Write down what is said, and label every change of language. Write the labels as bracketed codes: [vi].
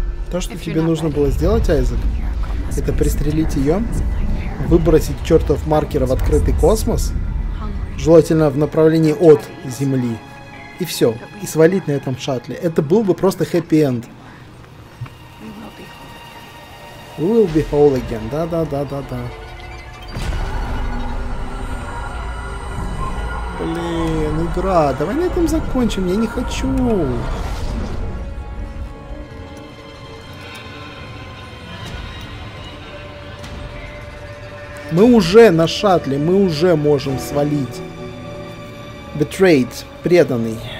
[ru] То, что тебе нужно было сделать, Айзек, это пристрелить ее, выбросить чертов маркер в открытый космос, желательно в направлении от Земли, и все, и свалить на этом шаттле. Это был бы просто хэппи-энд. [en] We will be whole again, да-да-да-да-да. [ru] Блин, игра, давай на этом закончим, я не хочу. Мы уже на шаттле, мы уже можем свалить. Betrayed, преданный.